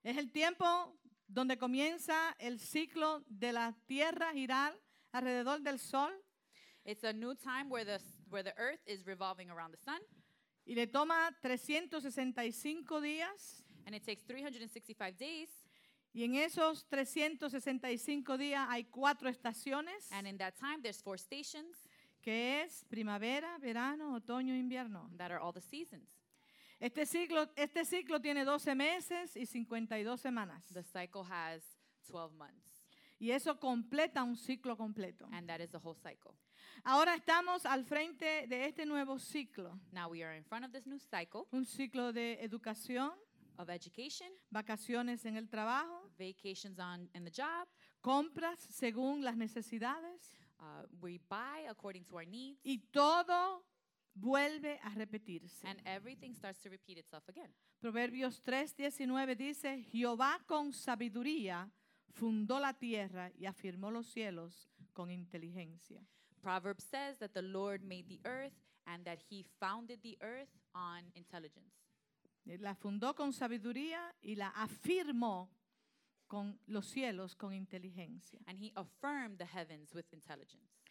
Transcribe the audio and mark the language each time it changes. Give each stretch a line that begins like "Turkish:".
Spanish: Es el tiempo donde comienza el ciclo de la Tierra girar alrededor del Sol.
English: It's a new time where the Earth is revolving around the Sun.
Spanish: Y le toma 365 días.
English: And it takes 365 days.
Spanish: Y en esos 365 días hay cuatro estaciones.
English: And in that time there's four stations.
Spanish: Que es primavera, verano, otoño e invierno.
English: That are all the seasons.
Spanish: Este ciclo tiene 12 meses y 52 semanas.
English: The cycle has 12 months.
Spanish: Y eso completa un ciclo completo.
English: And that is the whole cycle.
Spanish: Ahora estamos al frente de este nuevo ciclo.
English: Now we are in front of this new cycle.
Spanish: Un ciclo de educación.
English: Of education.
Spanish: Vacaciones en el trabajo.
English: Vacations in the job.
Spanish: Compras según las necesidades.
English: We buy according to our needs.
Spanish: Y todo vuelve a repetirse.
English: And everything starts to repeat itself again.
Spanish: Proverbios 3:19 dice, Jehová con sabiduría fundó la tierra y afirmó los cielos con inteligencia.
English: Proverbs says that the Lord made the earth and that he founded the earth on intelligence.
Spanish: La fundó con sabiduría y la afirmó con los cielos con inteligencia.
English: And he affirmed the heavens with intelligence.